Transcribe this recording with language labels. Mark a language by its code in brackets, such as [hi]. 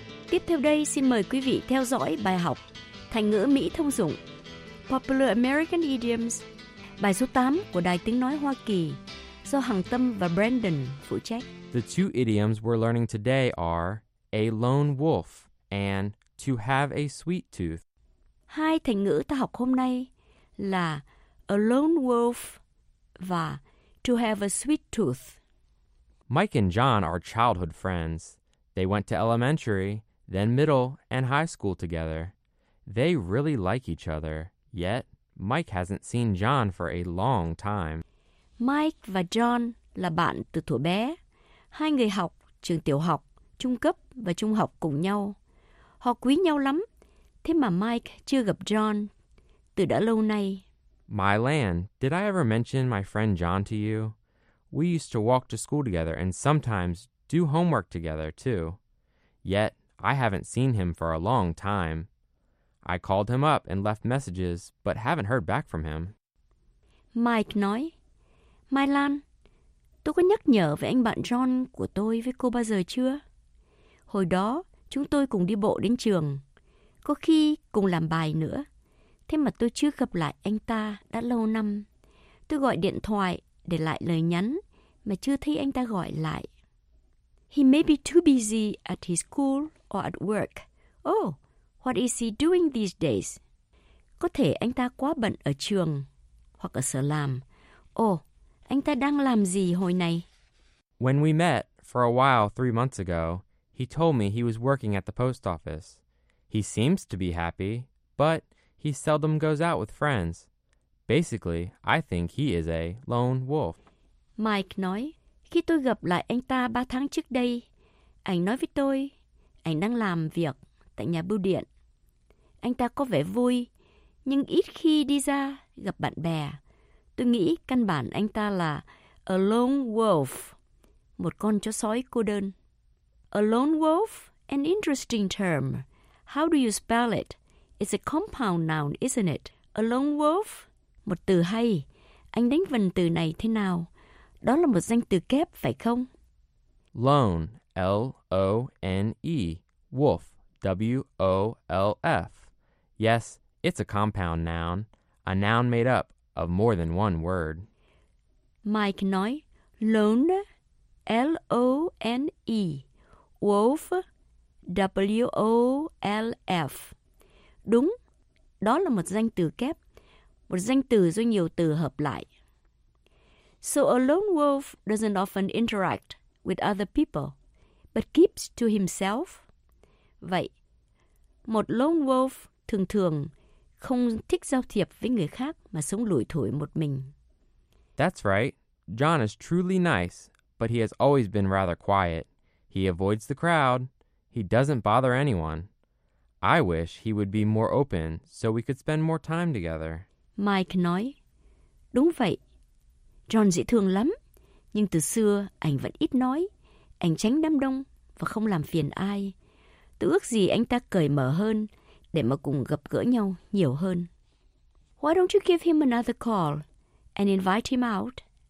[vi] Tiếp theo đây xin mời quý vị theo dõi bài học thành ngữ Mỹ thông dụng Popular American Idioms, bài số 8 của Đài Tiếng Nói Hoa Kỳ do Hằng Tâm và Brandon phụ trách. [en] The two idioms we're learning today are a lone wolf and to have a sweet tooth. [vi] Hai thành ngữ ta học hôm nay là [en] a lone wolf [vi] và [en] to have a sweet tooth. Mike and John are childhood friends. They went to elementary, then middle and high school together. They really like each other, yet Mike hasn't seen John for a long time. [vi] Mike và John là bạn từ thuở bé. Hai người học trường tiểu học, trung cấp và trung học cùng nhau. Họ quý nhau lắm, thế mà Mike chưa gặp John từ đã lâu nay. [en] My land, did I ever mention my friend John to you? We used to walk to school together and sometimes do homework together too. Yet, I haven't seen him for a long time. I called him up and left messages, but haven't heard back from him. [vi] Mike nói, Mai Lan, tôi có nhắc nhở về anh bạn John của tôi với cô bao giờ chưa? Hồi đó, chúng tôi cùng đi bộ đến trường, có khi cùng làm bài nữa. Thế mà tôi chưa gặp lại anh ta đã lâu năm. Tôi gọi điện thoại để lại lời nhắn, mà chưa thấy anh ta gọi lại. [en] He may be too busy at his school or at work. Oh! What is he doing these days? [vi] Có thể anh ta quá bận ở trường hoặc ở sở làm. Oh, anh ta đang làm gì hồi này? [en] When we met for a while 3 months ago, he told me he was working at the post office. He seems to be happy, but he seldom goes out with friends. Basically, I think he is a lone wolf. [vi] Mike nói, khi tôi gặp lại anh ta 3 tháng trước đây, anh nói với tôi, anh đang làm việc tại nhà bưu điện. Anh ta có vẻ vui, nhưng ít khi đi ra gặp bạn bè. Tôi nghĩ căn bản anh ta là [en] a lone wolf, [vi] một con chó sói cô đơn. [en] A lone wolf, an interesting term. How do you spell it? It's a compound noun, isn't it? A lone wolf, [vi] một từ hay. Anh đánh vần từ này thế nào? Đó là một danh từ kép, phải không? [en] Lone, L-O-N-E, wolf. W-O-L-F. Yes, it's a compound noun, a noun made up of more than one word. [vi] Mike nói, [en] lone, L-O-N-E, wolf, W-O-L-F. [vi] Đúng, đó là một danh từ kép, một danh từ do nhiều từ hợp lại. [en] So a lone wolf doesn't often interact with other people, but keeps to himself. [vi] Vậy, một lone wolf thường thường không thích giao thiệp với người khác mà sống lủi thủi một mình. [en] That's right. John is truly nice, but he has always been rather quiet. He avoids the crowd. He doesn't bother anyone. I wish he would be more open so we could spend more time together. [vi] Mike nói, đúng vậy. John dễ thương lắm, nhưng từ xưa anh vẫn ít nói. Anh tránh đám đông và không làm phiền ai. Tôi ước gì anh ta cởi mở hơn để mà cùng gặp gỡ nhau nhiều hơn. [en] Why don't you give him another call and invite him out?